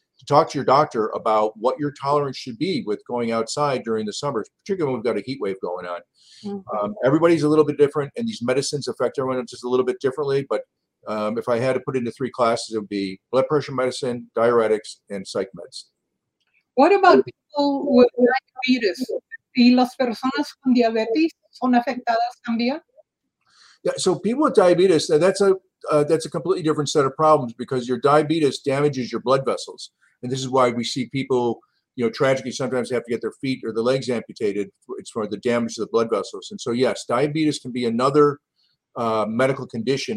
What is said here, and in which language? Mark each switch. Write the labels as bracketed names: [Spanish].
[English] to talk to your doctor about what your tolerance should be with going outside during the summer, particularly when we've got a heat wave going on. Mm-hmm. Everybody's a little bit different, and these medicines affect everyone just a little bit differently. But if I had to put it into three classes, it would be blood pressure medicine, diuretics, and psych meds. What about people with diabetes? [Spanish] ¿Y las personas con diabetes son afectadas también? [English] Yeah, so people with diabetes, that's a completely different set of problems, because your diabetes damages your blood vessels. And this is why we see people, you know, tragically sometimes have to get their feet or their legs amputated. It's for the damage to the blood vessels. And so, yes, diabetes can be another medical condition.